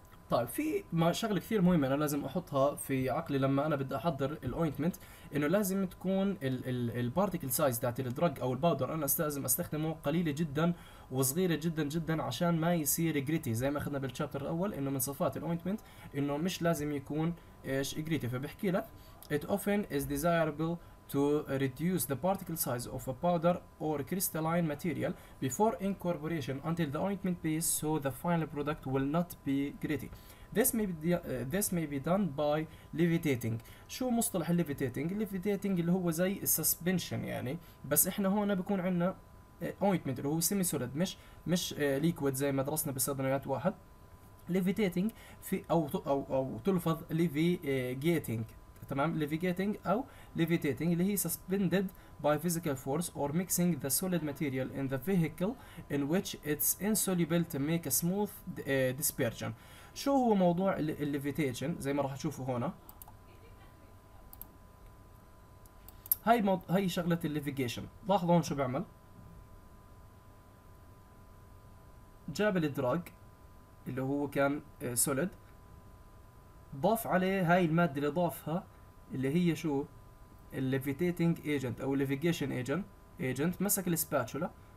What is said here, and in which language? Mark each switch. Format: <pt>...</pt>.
<ar>طيب في شغلة كثير مهمة أنا لازم أحطها في عقلي لما أنا بدي أحضر الأوينتمنت، إنه لازم تكون ال particle size تاعت الدرج أو الباودر أنا لازم أستخدمه قليلة جدا وصغيرة جدا جدا عشان ما يصير جريتي، زي ما أخذنا بالشابتر الأول إنه من صفات الأوينتمنت إنه مش لازم يكون إيش جريتي. فبحكي لك</ar> <en>it often is desirable to reduce the particle size of a powder or crystalline material before incorporation until the ointment base so the final product will not be gritty. This may be done by levitating.</en> <ar>شو مصطلح levitating؟ levitating اللي هو زي suspension يعني، بس احنا هون بكون عندنا ointment اللي هو semi solid مش liquid زي ما درسنا بالصيدليات واحد. levitating في او تلفظ levigating. تمام levigating او levitating اللي هي</ar> <en>suspended by physical force or mixing the solid material in the vehicle in which it's insoluble to make a smooth dispersion.</en> <ar>شو هو موضوع levitation زي ما راح تشوفوا هنا؟ هاي شغلة levigation. لاحظوا هون شو بعمل، جاب الدراج اللي هو كان solid، ضاف عليه هاي المادة اللي ضافها اللي هي شو الليفيتيتنج ايجنت او الليفيجيشن ايجنت، مسك السباتشولا</ar>